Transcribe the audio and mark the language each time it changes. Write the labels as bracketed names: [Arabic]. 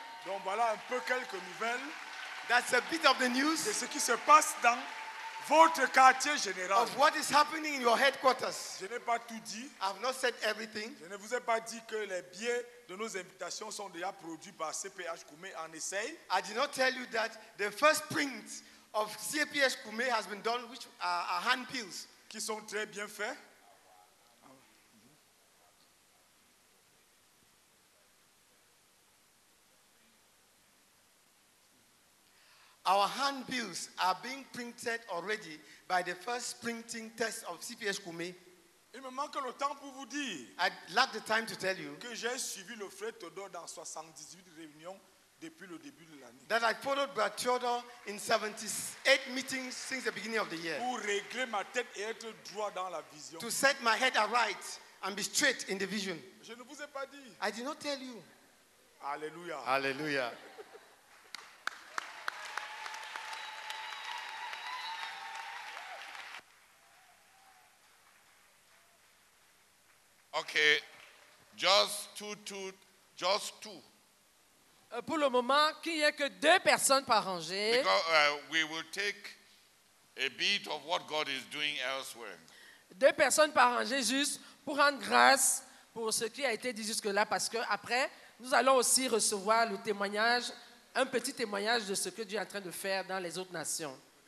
[French] Donc voilà un peu quelques nouvelles. [English] That's a bit of the news. [French] De ce qui se passe dans votre quartier général. [English] Of what is happening in your headquarters. [French] Je n'ai pas tout dit. [English] I've not said everything. [French] Je ne vous ai pas dit que les billets de nos invitations sont déjà produits par CPH Koumé en essai. [English] I did not tell you that the first print of CPH Koumé has been done, which are hand pills. [French] Qui sont très bien faits. [English] Our handbills are being printed already by the first printing test of CPS Koumé. [French] Il me manque le temps pour vous dire. [English] I lack the time to tell you [French] que j'ai suivi le frère Todor dans 78 réunions depuis le début de l'année. [English] That I followed Brother Theodore in 78 meetings since the beginning of the year. [French] Pour régler ma tête et être droit dans la vision. [English] To set my head aright and be straight in the vision. [French] Je ne vous ai pas dit. [English] I did not tell you. [French] Alléluia. [English] Alléluia. Okay. Just two. [French] Pour le moment, qu'il n'y ait que deux personnes par rangée. [English] Because we will take a bit of what God is doing elsewhere. [French] Deux personnes par rangée juste pour rendre grâce pour ce qui a été dit jusque-là, parce que après, nous allons aussi recevoir le témoignage, un petit témoignage de ce que Dieu est en train de faire dans les autres nations.